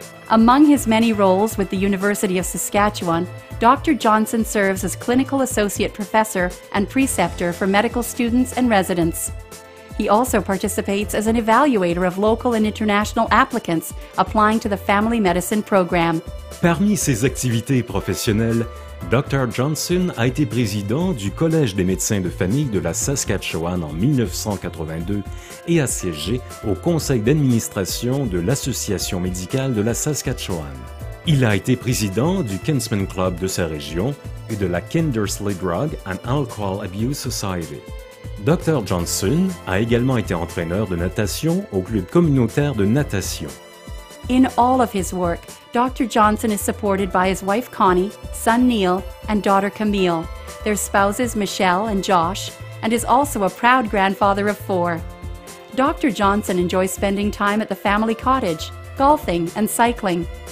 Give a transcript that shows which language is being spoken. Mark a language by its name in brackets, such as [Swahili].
[English] Among his many roles with the University of Saskatchewan, Dr. Johnson serves as clinical associate professor and preceptor for medical students and residents. He also participates as an evaluator of local and international applicants applying to the family medicine program. [French] Parmi ses activités professionnelles, Dr. Johnson a été président du Collège des médecins de famille de la Saskatchewan en 1982 et a siégé au conseil d'administration de l'Association médicale de la Saskatchewan. Il a été président du Kinsman Club de sa région et de la Kindersley Drug and Alcohol Abuse Society. Dr. Johnson a également été entraîneur de natation au club communautaire de natation. [English] In all of his work, Dr. Johnson is supported by his wife Connie, son Neil, and daughter Camille, their spouses Michelle and Josh, and is also a proud grandfather of 4. Dr. Johnson enjoys spending time at the family cottage, golfing, and cycling.